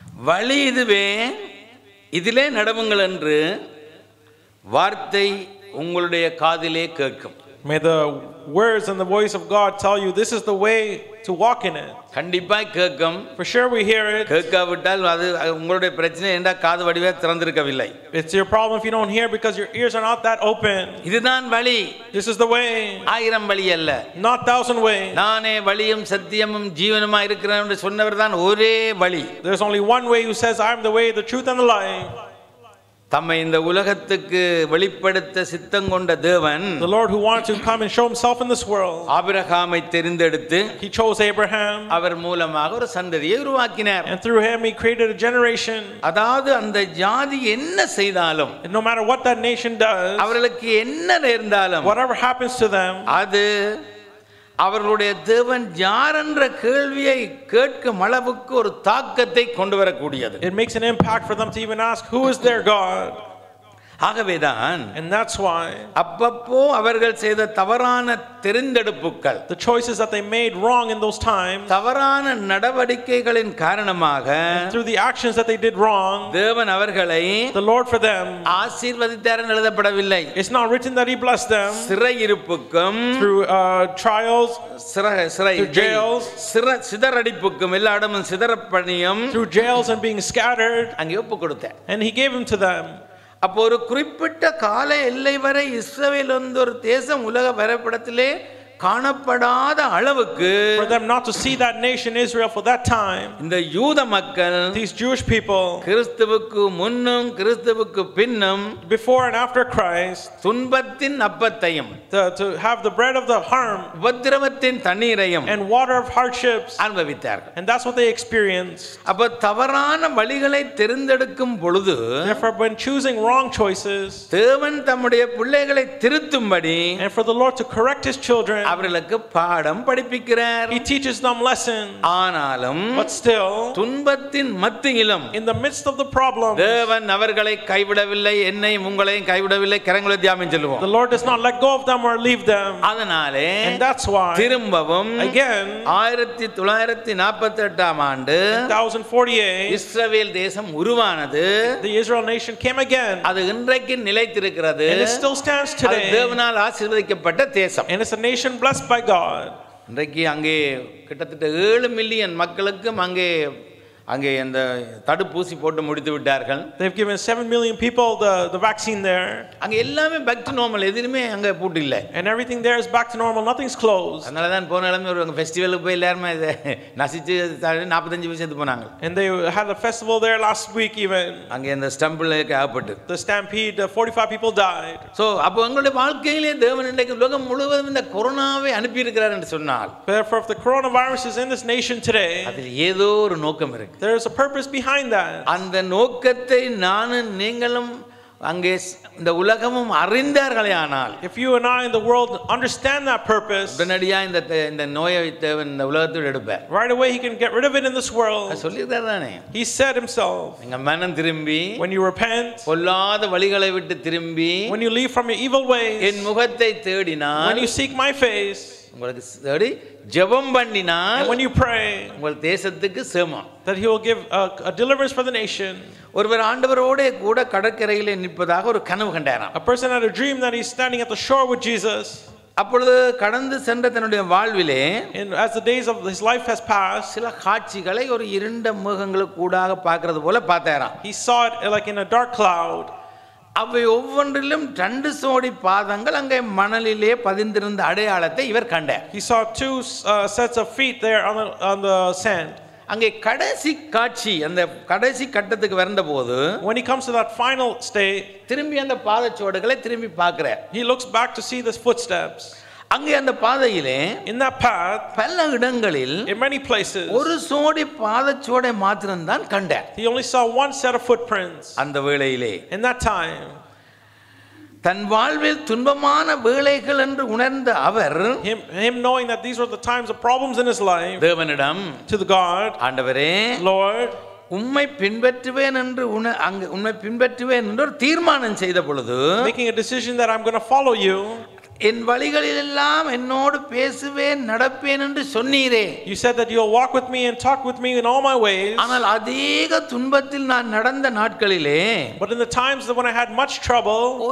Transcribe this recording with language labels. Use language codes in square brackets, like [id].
[ta] வழி இதுவே, இதிலே நடவுங்கள் என்று வார்த்தை உங்களுடைய காதிலே கேட்கும். [en] May the words and the voice of God tell you this is the way to walk in it. [ta] கண்டிப்பா கேட்கும். [en] For sure we hear it. [ta] கேட்காவிட்டால் அது உங்களுடைய பிரச்சனை. என்ன காது வடிவே திறந்திருக்கவில்லை. [en] It's your problem if you don't hear because your ears are not that open. [ta] இதுதான் வழி. [en] This is the way. [ta] ஆயிரம் வழி அல்ல. [en] Not thousand ways. [ta] நானே வழியும் சத்தியமும் ஜீவனும் இருக்கிறேன் என்று சொன்னவர்தான் ஒரே வழி. [en] There's only one way who says I am the way, the truth and the life. [ta] தம்மை இந்த உலகத்துக்கு வெளிப்படுத்த சித்தம் கொண்ட தேவன், [en] the Lord who wants to come and show himself in this world, [ta] ஆபிரகாமை தேர்ந்தெடுத்து, [en] he chose Abraham, [ta] அவர் மூலமாக ஒரு சந்ததியை உருவாக்கினார், [en] and through him he created a generation. [ta] அதாவது அந்த ஜாதி என்ன செய்தாலும், [en] no matter what that nation does, [ta] அவர்களுக்கு என்ன நேர்ந்தாலும், [en] whatever happens to them, [ta] அது அவர்களுடைய தேவன் யார் என்ற கேள்வியை கேட்கும் அளவுக்கு ஒரு தாக்கத்தை கொண்டு வரக்கூடியது. [en] It makes an impact for them to even ask who is their God. [ta] ஆகவேதான், [en] and that's why, [ta] அப்பப்போ அவர்கள் செய்த தவறான தேர்ந்தெடுப்புகள், [en] the choices that they made wrong in those times, [ta] தவறான நடவடிக்கைகளின் காரணமாக, [en] and through the actions that they did wrong, [ta] தேவன் அவர்களை, [en] the Lord for them, [ta] ஆசீர்வதித்தார் என்று எழுதப்படவில்லை. [en] It's not written that he blessed them. [ta] சிறையிருப்புக்கும், [en] through trials, [ta] சிறை [en] through jails, [ta] சிதறடிப்புக்கும், எல்லா இடமும் சிதறப்பணியும், [en] through jails and being scattered, [ta] அங்கே ஒப்புக் கொடுத்தார். [en] And he gave them to them. [ta] அப்போ ஒரு குறிப்பிட்ட கால எல்லை வரை இஸ்ரவேல் வந்து ஒரு தேசம் உலக வரைபடத்திலே காணப்படாத அளவுக்கு, [en] for them not to see that nation Israel for that time, [ta] இந்த யூத மக்கள், [en] these Jewish people, [ta] கிறிஸ்துவுக்கு முன்னும் கிறிஸ்துவுக்கு பின்னும், [en] before and after Christ, [ta] துன்பத்தின் அப்பத்தையும், [en] to have the bread of the harm, [ta] உபத்திரவத்தின் தண்ணீரையும், [en] and water of hardships, [ta] அனுபவித்தார்கள். [en] And that's what they experienced. [ta] அப்ப தவறான வழிகளை தேர்ந்தெடுக்கும் பொழுது, [en] therefore when choosing wrong choices, [ta] தேவன் தம்முடைய பிள்ளைகளை திருத்தும்படி, [en] and for the Lord to correct his children, [ta] அவர்களுக்கு பாடம் படிப்பிக்கிறார். [en] He teaches them lessons. [ta] ஆனாலும், [en] but still, [ta] துன்பத்தின் மத்தியிலும், [en] in the midst of the problems, [ta] தேவன் அவர்களை கைவிடவில்லை. என்னையும் உங்களையும் கைவிடவில்லை. கரங்களை தியானம் செய்வோம். [en] The Lord does not let go of them or leave them. [ta] அதனாலே, [en] and that's why, [ta] திரும்பவும், [en] again, [ta] 1948ஆம் ஆண்டு, [en] 1948, [ta] இஸ்ரவேல் தேசம் உருவானது. [en] The Israel nation came again. [ta] அது இன்றைக்கு நிலைத்திருக்கிறது. [en] It still stands today. [ta] அது தேவனால் ஆசீர்வதிக்கப்பட்ட தேசம். [en] Nation blessed by God. [ta] இன்றைக்கு அங்கே கிட்டத்தட்ட 7 மில்லியன் மக்களுக்கும் அங்கே அங்கே அந்த தடுப்பூசி போட்டு முடித்து விட்டார்கள். [en] They've given 7 million people the vaccine there. [ta] அங்க எல்லாமே [en] back to normal. [ta] எதுலயுமே அங்க போட்டு இல்ல. [en] And everything there is back to normal. Nothing's closed. [ta] அதனால தான் போன எல்லாமே ஒரு festival க்கு போய் எல்லாரும் நசிச்சு 45% போனாங்க. [en] And they had a festival there last week even. [ta] அங்க அந்த stampede ஏற்பட்டு. [en] The stampede 45 people died. [ta] So அப்ப அவங்களுடைய வாழ்க்கையிலே தேவன் இன்னைக்கு உலகம் முழுவதும் இந்த கொரோனாவை அனுப்பி இருக்கிறார் என்று சொன்னால், [en] Therefore if the coronavirus is in this nation today, [ta] அதுல ஏதோ ஒரு நோக்கம் இருக்கு. [en] There is a purpose behind that. [ta] அந்த நோக்கத்தை நானும் நீங்களும் அங்கே இந்த உலகமும் அறிந்தார்களேயானால், [en] if you and I in the world understand that purpose, [ta] உடனடியா இந்த நோயை இந்த உலகத்தில் எடுப்பார். [en] Right away he can get rid of it in this world. [ta] சொல்லியிருக்கிறதானே. [en] He said himself. [ta] நீங்க மனம் திரும்பி, [en] when you repent, [ta] பொல்லாத வழிகளை விட்டு திரும்பி, [en] when you leave from your evil ways, [ta] என் முகத்தை தேடினால், [en] when you seek my face, [ta] உங்களுக்கு தேடி ஜெபம் பண்ணினால், [en] when you pray, [ta] உங்கள் தேசத்துக்கு சேமம், [en] that he will give a deliverance for the nation. [ta] ஒருவர் ஆண்டவரோடு கூட கடற்கரையில் நிற்பதாக ஒரு கனவு கண்டாராம். [en] A person had a dream that he's standing at the shore with Jesus. [ta] அப்பொழுது கடந்து சென்ற தன்னுடைய வாழ்விலே, [en] as the days of his life has passed, [ta] சில காட்சிகளை ஒரு இருண்ட மேகங்களுக்கு கூடாக பார்க்கிறது போல பார்த்தாராம். [en] He saw it like in a dark cloud. [ta] அவை ஒவ்வொன்றிலும் ரெண்டு சோடி பாதங்கள் அங்கே மணலிலே பதிந்திருந்த அடையாளத்தை இவர் கண்டார். [en] He saw two sets of feet there on the sand. [ta] அங்கே கடைசி காட்சி அந்த கடைசி கட்டத்துக்கு வந்தபோது, [en] when he comes to that final stage, [ta] திரும்பி அந்த பாதச்சுவடுகளை திரும்பி பார்க்கிறார். [en] He looks back to see the footsteps. [ta] அங்கே அந்த பாதையிலே, [en] in that path, [ta] பல இடங்களில், [en] in many places, [ta] ஒரு சோடி பாதச்சுவடை மாத்திரம் தான் கண்டார். [en] He only saw one set of footprints. [ta] அந்த வேளையிலே, [en] in that time, [ta] தன் வாழ்வில் துன்பமான வேளைகள் என்று உணர்ந்த அவர், [en] him knowing that these were the times of problems in his life, [ta] தேவனிடம், [en] to the God, [ta] ஆண்டவரே, [en] Lord, [ta] உம்மை பின்பற்றுவேன் என்று உம்மை பின்பற்றுவேன் என்று ஒரு தீர்மானம் செய்தபொழுது, [en] making a decision that I'm going to follow you, [ta] என் வழிகளில் எல்லாம் என்னோடு பேசுவேன் நடப்பேன் என்று சொன்னீரே. [en] You said that you'll walk with me and talk with me in all my ways. [ta] ஆனால் அதிக துன்பத்தில் நான் நடந்த நாட்களிலே, [en] but in the times when I had much trouble,